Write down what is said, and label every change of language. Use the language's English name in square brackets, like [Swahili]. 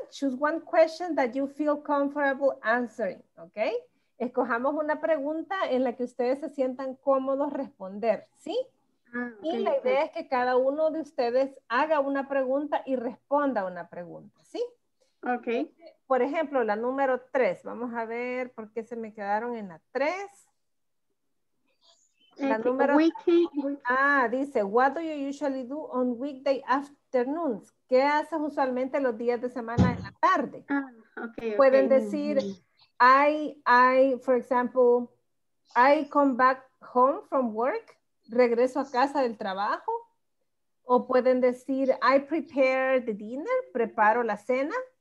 [English] Choose one question that you feel comfortable answering. Ok. [Spanish] Escojamos una pregunta en la que ustedes se sientan cómodos responder. ¿Sí? Y la idea es que cada uno de ustedes haga una pregunta y responda una pregunta, ¿sí? Ok. Por ejemplo, la número 3. Vamos a ver por qué se me quedaron en la 3. La número... Ah, dice, [English] what do you usually do on weekday afternoons? [Spanish] ¿Qué haces usualmente los días de semana en la tarde? Okay, pueden decir, [English] I come back home from work. [Spanish] Regreso a casa del trabajo. O pueden decir, [English] I prepare the dinner, [Spanish] preparo la cena.